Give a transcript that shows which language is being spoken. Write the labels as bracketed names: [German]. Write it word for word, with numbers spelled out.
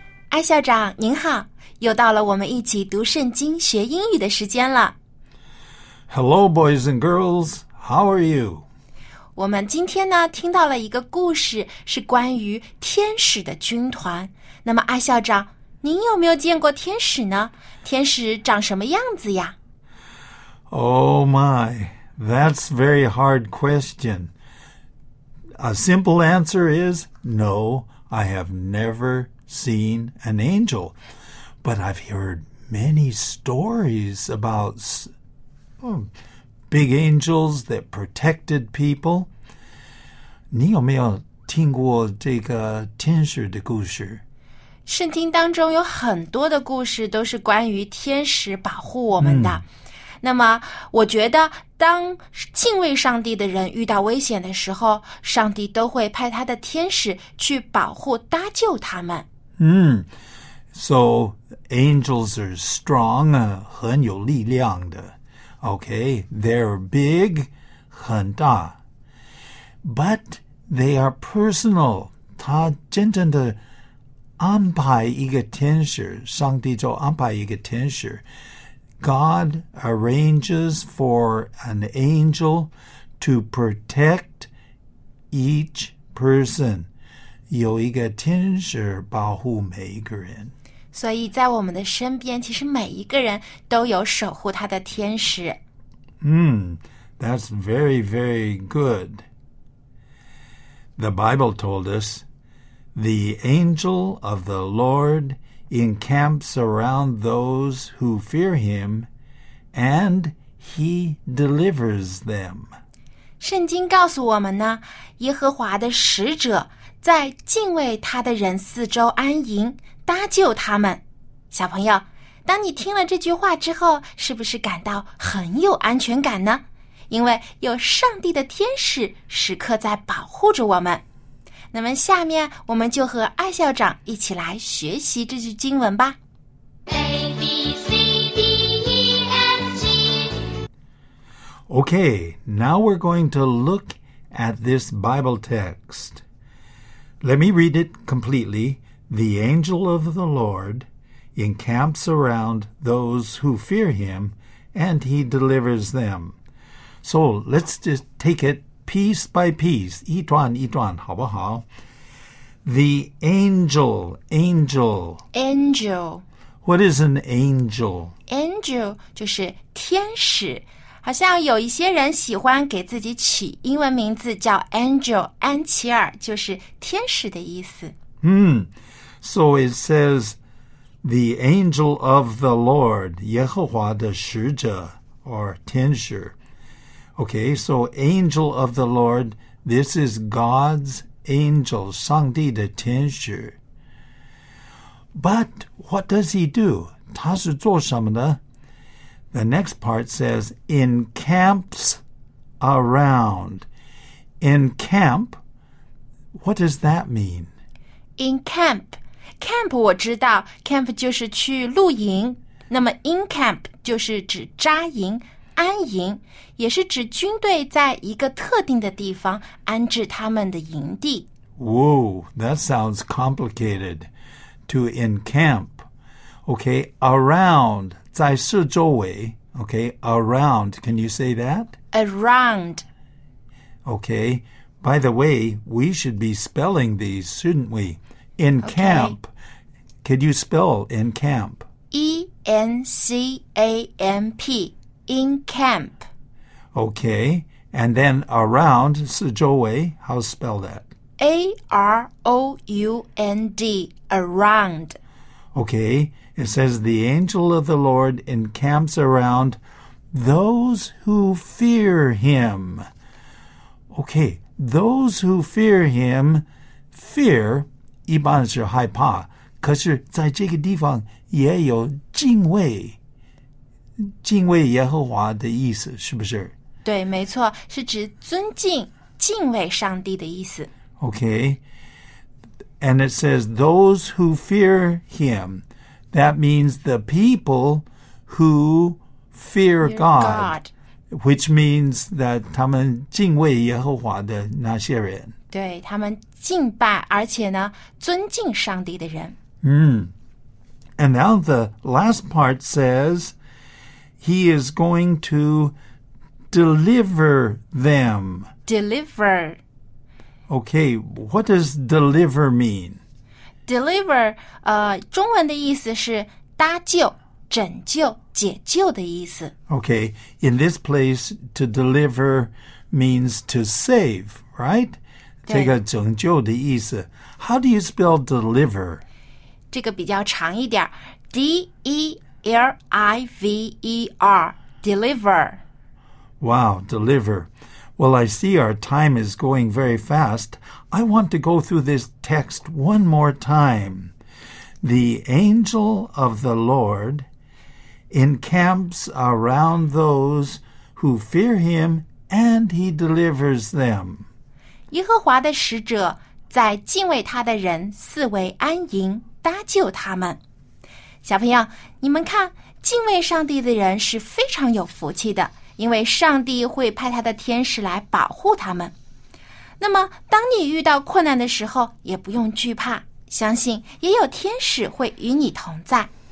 [Chinese] 艾校长您好，又到了我们一起读圣经学英语的时间了。 [English] Hello, boys and girls. How are you? [Chinese] 我们今天呢听到了一个故事，是关于天使的军团。那么艾校长，您有没有见过天使呢？天使长什么样子呀？ [English] Oh my, that's a very hard question. A simple answer is no, I have never seen an angel. But I've heard many stories about oh, big angels that protected people. [Chinese] 你有没有听过这个天使的故事？圣经当中有很多的故事都是关于天使保护我们的。嗯、那么我觉得当敬畏上帝的人遇到危险的时候，上帝都会派他的天使去保护搭救他们。嗯 [English] So angels are strong, uh, [Chinese] 很有力量的. [English] Okay, they're big, [Chinese] 很大. [English] But they are personal. [Chinese] 他真正的安排一个天使，上帝就安排一个天使。 [English] God arranges for an angel to protect each person. [Chinese] 有一个天使保护每一个人。所以在我们的身边，其实每一个人都有守护他的天使。 [English] 嗯， that's very, very good. The Bible told us, The angel of the Lord encamps around those who fear him, and he delivers them. [Chinese] 圣经告诉我们呢，耶和华的使者在敬畏他的人四周安营，搭救他们。小朋友，当你听了这句话之后，是不是感到很有安全感呢？因为有上帝的天使时刻在保护着我们。那么下面我们就和艾校长一起来学习这句经文吧。 [English] A, B, C, D, E, F, G. Okay, now we're going to look at this Bible text. Let me read it completely. The angel of the Lord encamps around those who fear him, and he delivers them. So let's just take it piece by piece, [Chinese] 一段一段，好不好？ [English] The angel, angel. Angel. What is an angel? [Chinese] Angel 就是天使。好像有一些人喜欢给自己起英文名字叫 Angel, 安琪尔，就是天使的意思。 [English] 嗯， So it says, the angel of the Lord, [Chinese] 耶和华的使者 [English] or 天使。 Okay, so angel of the Lord, this is God's angel, [Chinese] 上帝的天使. [English] But what does he do? [Chinese] 他是做什么呢? [English] The next part says, encamps around. Encamp, what does that mean? [Chinese] Encamp, camp 我知道 camp 就是去露营，那么 encamp 就是指扎营安营，也是指军队在一个特定的地方安置他们的营地。 [English] Whoa, that sounds complicated. To encamp. Okay, around, [Chinese] 在四周围。 [English] Okay, around, can you say that? Around. Okay, by the way, we should be spelling these, shouldn't we? Encamp. Okay. Could you spell encamp? E N C A M P. In camp. Okay, and then around, [Chinese] 四周围, [English] how spell that? A R O U N D, around. Okay, it says the angel of the Lord encamps around those who fear him. [Chinese] Okay, those who fear him, fear, 一般是害怕，可是在这个地方也有敬畏。敬畏耶和华的意思是不是？对，没错，是指尊敬、敬畏上帝的意思。 [English] Okay, and it says those who fear him. That means the people who fear God, God, which means that [Chinese] 他们敬畏耶和华的那些人。对，他们敬拜，而且呢，尊敬上帝的人。嗯。 [English] And now the last part says. He is going to deliver them. Deliver. Okay, what does deliver mean? [Chinese] Deliver, 呃，中文的意思是搭救、拯救、解救的意思。 [English] Okay, in this place, to deliver means to save, right? 这个拯救的意思。 How do you spell deliver? [Chinese] 这个比较长一点 D E L I V E R, deliver. [English] Wow, deliver. Well, I see our time is going very fast. I want to go through this text one more time. The angel of the Lord encamps around those who fear him, and he delivers them. [Chinese] 耶和华的使者在敬畏他的人四围安营，搭救他们。小朋友，你们看，敬畏上帝的人是非常有福气的，因为上帝会派他的天使来保护他们。那么，当你遇到困难的时候，也不用惧怕，相信也有天使会与你同在。